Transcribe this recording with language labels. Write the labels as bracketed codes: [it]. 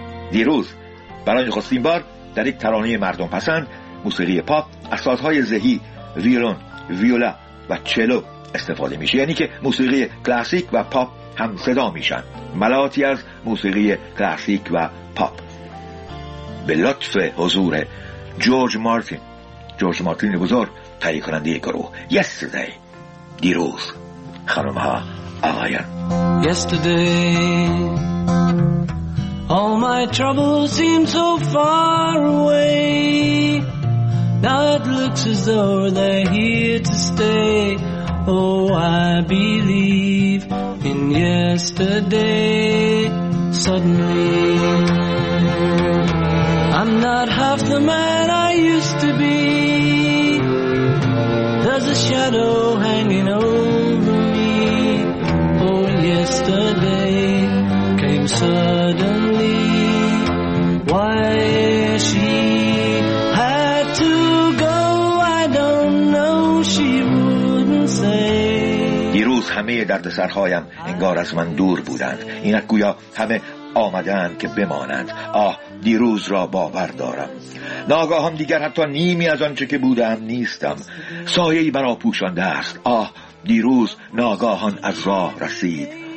[fa] دیروز برای نخستین بار در یک ترانه مردم پسند، موسیقی پاپ، از سازهای زهی، ویولون، ویولا و چلو استفاده میشه، یعنی که موسیقی کلاسیک و پاپ هم صدا میشن، ملاتی از موسیقی کلاسیک و پاپ. به لطف حضور جورج مارتین بزرگ تهیه کننده گروه. Yesterday، دیروز. خانم ها، آقایان، Yesterday [en] All my troubles seem so far away. Now it looks as though they're here to stay. Oh, I believe in yesterday. Suddenly, I'm not half the man I used to be. There's a shadow hanging over me. Oh, yesterday came suddenly. Why she had to go, I don't know, she wouldn't say. [fa] دیروز همه درد سرهایم انگار از من دور بودند. اینک گویا همه آمدند که بمانند. آه، دیروز را باور دارم. ناگاهان دیگر حتی نیمی از آنچه که بودم نیستم. سایه‌ای مرا پوشانده است. آه، دیروز ناگاهان از راه رسید.